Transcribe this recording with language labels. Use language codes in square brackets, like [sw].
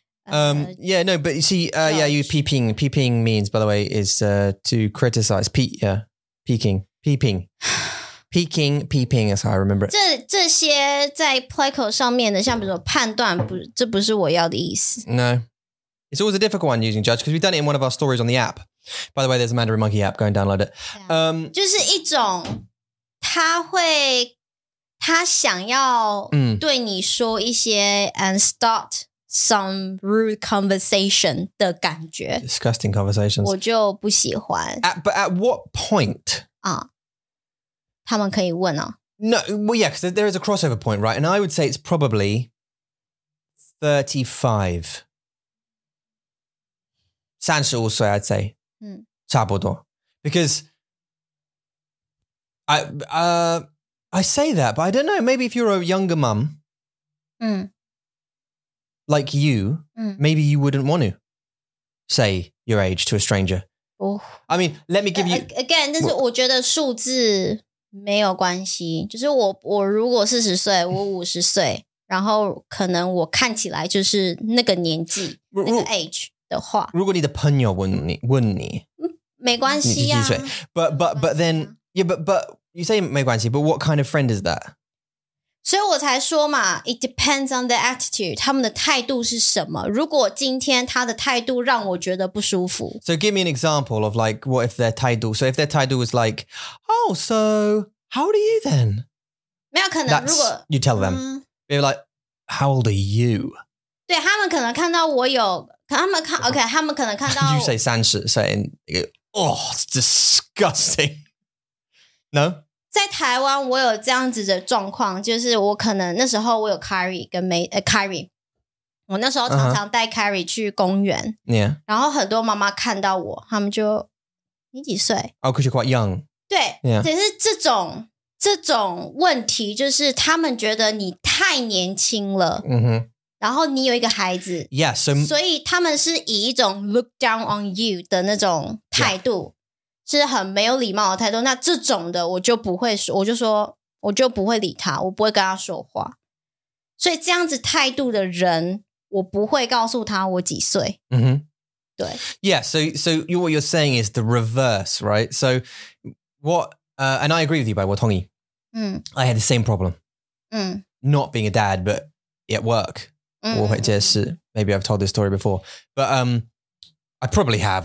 [en] Yeah, no, but you see, yeah, you peeping. Peeping means, by the way, is to criticize. Peeking. Peeking, peeping is how I remember it. [zh] 这些在 Plico 上面的，像比如说判断，不，这不是我要的意思。 [en] No, it's always a difficult one using judge because we've done it in one of our stories on the app. By the way, there's a Mandarin Monkey app. Go and download it. [zh] 就是一种他会他想要对你说一些 [en] and start some rude conversation [zh] 的感觉 [en] Disgusting conversations. [zh] 我就不喜欢 [en] But at what point? [zh] 他们可以问哦 [en] No, well, yeah, because there is a crossover point, right? And I would say it's probably 35. [zh] 35 岁 [en] I'd say. [zh] 差不多 [en] Because I say that But I don't know Maybe if you're a younger mum Like you Maybe you wouldn't want to Say your age to a stranger Oh, I mean, let me give you again. [zh] 但是我觉得数字没有关系。就是我如果四十岁，我五十岁，然后可能我看起来就是那个年纪那个 age 的话，如果你的朋友问你，没关系啊。 [en] But then yeah, but you say [zh] 没关系。 [en] But what kind of friend is that? [zh] 所以我才说嘛 ， [en] it depends on the attitude. [zh] 他们的态度是什么？如果今天他的态度让我觉得不舒服 [en] ，So give me an example of like what if their 态度 ？So if their 态度 was like, oh, so how old are you then? [zh] 没有可能。 [en] That's, [zh] 如果 [en] you tell them,、嗯、they're like, how old are you? [zh] 对他们可能看到我有，他们看 OK， 他们可能看到 [en] you say [zh] 三十 [en] ，saying, oh, it's disgusting. No. [zh] 在台湾我有这样子的状况就是我可能那时候我有 Carrie 跟 May,、Carrie 我那时候常常带 Carrie 去公园、 [en] yeah. [zh] 然后很多妈妈看到我他们就你几岁 [en] Oh, because you're quite young [zh] 对、 [en] yeah. [zh] 只是这种问题就是他们觉得你太年轻了、 mm-hmm. 然后你有一个孩子 [en] yeah, so, [zh] 所以他们是以一种 [en] look down on you [zh] 的那种态度、yeah. 是很没有礼貌的态度那这种的我就不会说我就说我就不会理他我不会跟他说话所以这样子态度的人我不会告诉他我几岁、 mm-hmm. 对 [en] Yeah, so you, what you're saying is the reverse, right? So what,、and I agree with you, by [zh] 我同意、嗯、 [en] I had the same problem、嗯、 Not being a dad, but at work、嗯、 [zh] 我会解释 [en] Maybe I've told this story before ButI probably have.